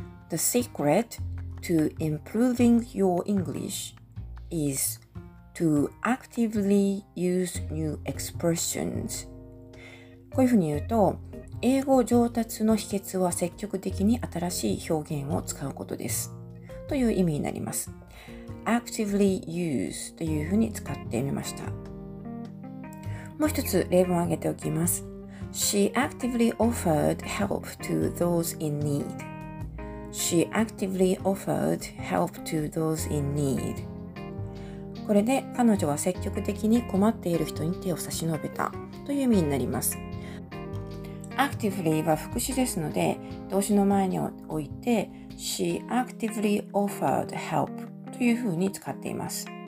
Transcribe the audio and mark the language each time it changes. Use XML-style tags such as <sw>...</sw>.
<en>The secret to improving your English is to actively use new expressions.</en> <ja>こういうふうに言うと、英語上達の秘訣は積極的に新しい表現を使うことですという意味になります。 actively use というふうに使ってみました。もう一つ例文を挙げておきます。</ja> <en>She actively offered help to those in need. She actively offered help to those in need.</en> <ja>これで彼女は積極的に困っている人に手を差し伸べたという意味になります。 Actively は副詞ですので、動詞の前に置いて</ja> <en>She actively offered help</en> <ja>というふうに使っています。</ja>